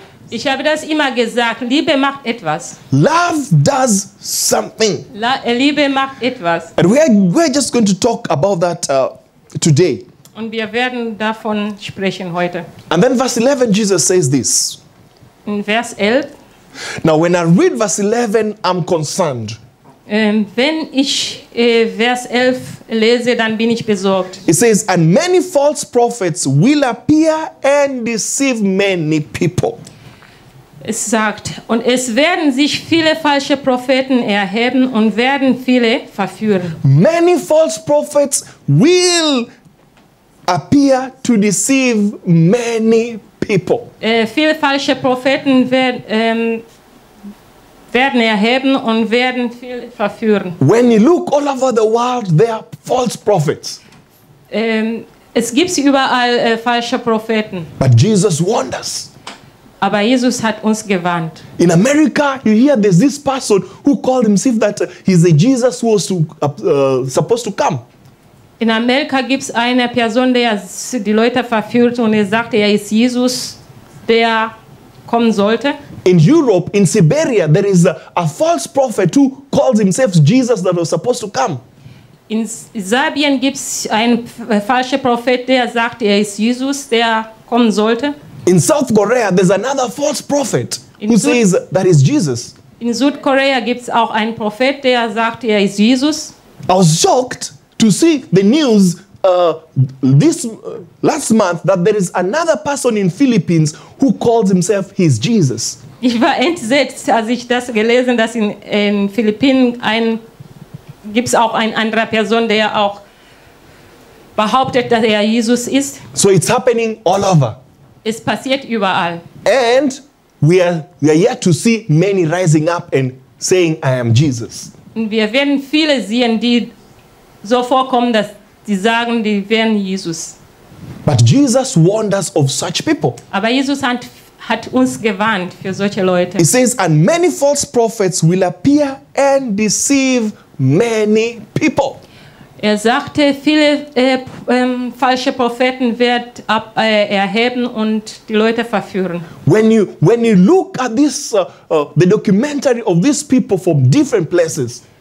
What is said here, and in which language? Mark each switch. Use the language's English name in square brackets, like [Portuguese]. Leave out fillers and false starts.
[German] Ich habe das immer gesagt, Liebe macht etwas. [English] Love does something. [German] Liebe macht etwas. [English] And we're just going to talk about that today. [German] Und wir werden davon sprechen heute. [English] And then verse 11, Jesus says this. [German] In Vers 11. [English] Now, when I read verse 11, I'm concerned. [German] Wenn ich Vers 11 lese, dann bin ich besorgt. [English] It says, and many false prophets will appear and deceive many people. [German] Es sagt, und es werden sich viele falsche Propheten erheben und werden viele verführen. [English] Many false prophets will appear to deceive many people. [German] Viele falsche Propheten werden erheben und werden viele verführen. [English] When you look all over the world, there are false prophets. [German] Es gibt überall falsche Propheten. [English] But Jesus warned us. [German] Aber Jesus hat uns gewarnt. [English] In America, you hear there's this person who called himself that he's a Jesus who was supposed to come. [German] In Amerika gibt's eine Person, der die Leute verführt und er sagt, er ist Jesus, der kommen sollte. [English] In Europe, in Siberia, there is a false prophet who calls himself Jesus that was supposed to come. [German] In Serbien gibt's einen falschen Prophet, der sagt, er ist Jesus, der kommen sollte. [English] In South Korea, there's another false prophet who says that is Jesus. [German] In Südkorea gibt's auch einen Prophet, der sagt, er ist Jesus. [English] I was shocked to see the news last month that there is another person in Philippines who calls himself his Jesus. [German] Ich war entsetzt, als ich das gelesen, dass in Philippinen gibt's auch eine andere Person, der auch behauptet, dass er Jesus ist. [English] So it's happening all over. [German] Es passiert überall. [English] And we are yet to see many rising up and saying, I am Jesus. [German] Und wir werden viele sehen, die so vorkommen, dass sie sagen, die wären Jesus. [English] But Jesus warned us of such people. [German] Aber Jesus hat uns gewarnt für solche Leute. [English] He says, and many false prophets will appear and deceive many people. [German] Er sagte, viele falsche Propheten wird erheben und die Leute verführen. [English] When you look at this the documentary of these people from different places.